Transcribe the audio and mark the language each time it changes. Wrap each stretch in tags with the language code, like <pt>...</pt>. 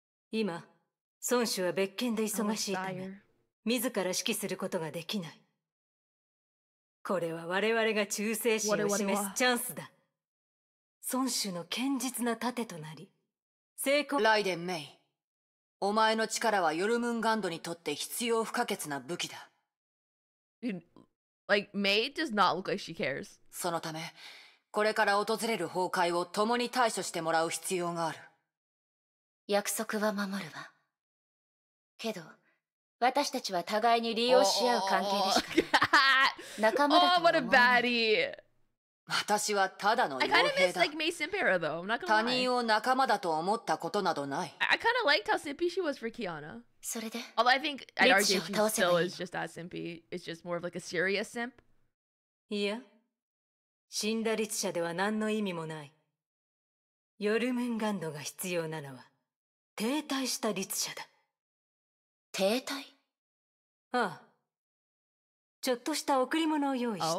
<ja>今、孫主は別件で忙しいため、自ら指揮することができない。これは我々が忠誠心を示すチャンスだ。孫主の堅実な盾となり、成功。ライデン・メイ。お前の力はヨルムンガンドにとって必要不可欠な武器だ。</ja> <en>Like, MEI does not look like she cares.</en> <ja>そのため、これから訪れる崩壊を共に対処してもらう必要がある。約束は守るわ。けど、私たちは互いに利用し合う関係でしか。仲間だとは思わない。</ja> <en>Oh, what a baddie!</en> <ja>私はただの傭兵だ。</ja> <en>I kind of miss like MEI Simpera though. I'm not gonna lie.</en> <ja>他人を仲間だと思ったことなどない。</ja> <en>I kind of liked how simpy she was for Kiana.</en> <ja>それで?</ja> <en>Although I think I'd argue she still is just as simpy. It's just more of like a serious simp.</en> <ja>いや、死んだ律者では何の意味もない。ヨルムンガンドが必要なのは停滞した律者だ。停滞?ああ。ちょっとした贈り物を用意した。</ja>